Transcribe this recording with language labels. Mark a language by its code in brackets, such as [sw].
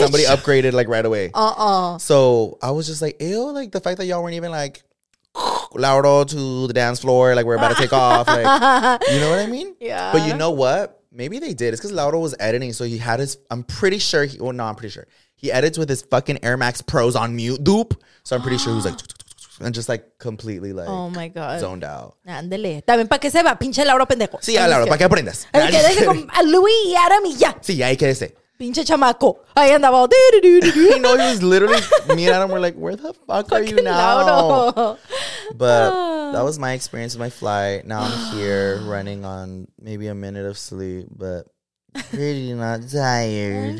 [en] Somebody upgraded like right away. So I was just like, ew, like the fact that y'all weren't even like, Lauro to the dance floor. Like we're about to take off. Like, you know what I mean? Yeah. But you know what? Maybe they did. It's because Lauro was editing. So he had his, I'm pretty sure, he, well, no, I'm pretty sure. He edits with his fucking Air Max Pros on mute, doop. So I'm pretty sure he was like, and just like completely like, oh my God, zoned out. [es] Andale. También para que se va, pinche Lauro pendejo. Sí, ya, Lauro, para que aprendas. A Luis y Adam y ya. Sí, ahí que ese. Pinche chamaco. Ahí andaba all, [en] you know, he was literally, me and Adam were like, where the fuck are you now? But that was my experience with my flight. Now I'm here running on maybe a minute of sleep, but pretty not tired.